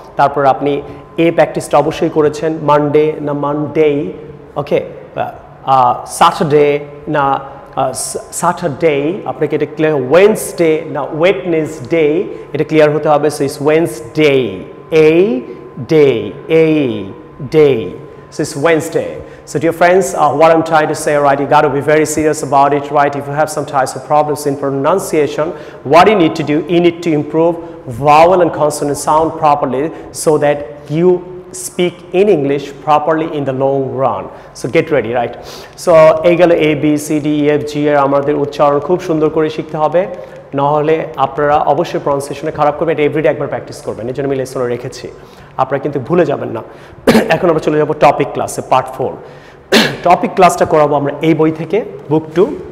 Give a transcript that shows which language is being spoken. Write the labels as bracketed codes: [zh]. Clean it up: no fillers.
[bn] তারপর আপনি এ প্র্যাকটিসটা অবশ্যই করেছেন, মানডে না মানডেই, ওকে, স্যাটারডে না স্যাটারডে, আপনাকে এটা ক্লিয়ার, ওয়েনসডে না ওয়েটনেসডে, এটা ক্লিয়ার হতে হবে. [en] So is Wednesday, এই day, এই day, so is Wednesday. So dear friends, what I'm trying to say, right, you got to be very serious about it, right? If you have some types of problems in pronunciation, what you need to do, you need to improve vowel and consonant sound properly so that you speak in English properly in the long run. So get ready, right? [bn] So এগুলো A, B, C, D, E, F, G এর আমাদের উচ্চারণ খুব সুন্দর করে শিখতে হবে, নাহলে আপনারা অবশ্যই প্রনাউন্সিয়েশনে খারাপ করবেন. এটা এভরিডে একবার প্র্যাকটিস করবেন, এই জন্য আমি লেসনও রেখেছি, আপনারা কিন্তু ভুলে যাবেন না. এখন আমরা চলে যাবো টপিক ক্লাসে, পার্ট ফোর. টপিক ক্লাসটা করাবো আমরা এই বই থেকে, বুক টু.